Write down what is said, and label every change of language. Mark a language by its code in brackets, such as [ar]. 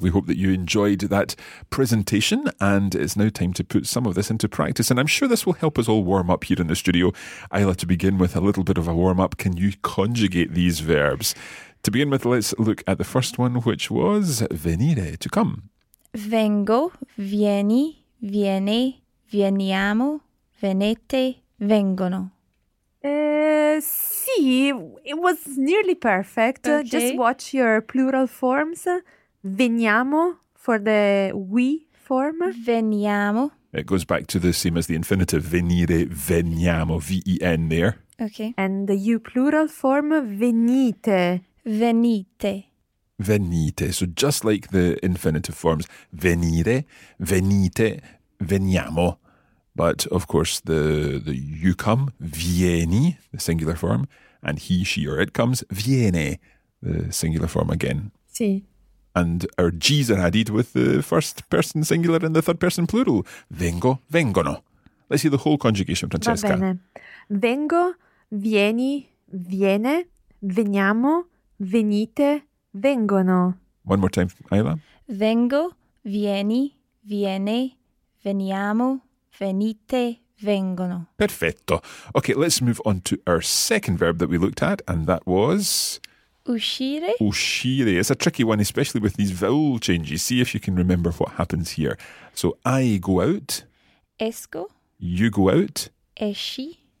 [en] We hope that you enjoyed that presentation, and it's now time to put some of this into practice. And I'm sure this will help us all warm up here in the studio. Ayla, to begin with a little bit of a warm-up, can you conjugate these verbs? To begin with, let's look at the first one, which was venire, to come. [it] Vengo, vieni, viene, veniamo, venete, vengono. [en] Sì, it was nearly perfect. Okay. Just watch your plural forms. Veniamo for the we form. [it] Veniamo. [en] It goes back to the same as the infinitive. [it] Venire, veniamo, V-E-N there. [en] Okay. And the you plural form, venite. [it] Venite. [en] Venite. So just like the infinitive forms, venire, venite, veniamo. But, of course, the you come, vieni, the singular form, and he, she, or it comes, viene, the singular form again. [it] Sì. [en] And our G's are added with the first person singular and the third person plural. Vengo, vengono. Let's hear the whole conjugation, Francesca. [it] Va bene. Vengo, vieni, viene, veniamo, venite, vengono. [en] One more time, Ayla. [it] Vengo, vieni, viene, veniamo, venite, vengono. Perfetto. [en] Okay, let's move on to our second verb that we looked at, and that was... [it] uscire. Uscire. [en] It's a tricky one, especially with these vowel changes. See if you can remember what happens here. So, I go out. [it] Esco. [en] You go out. [it] Esci.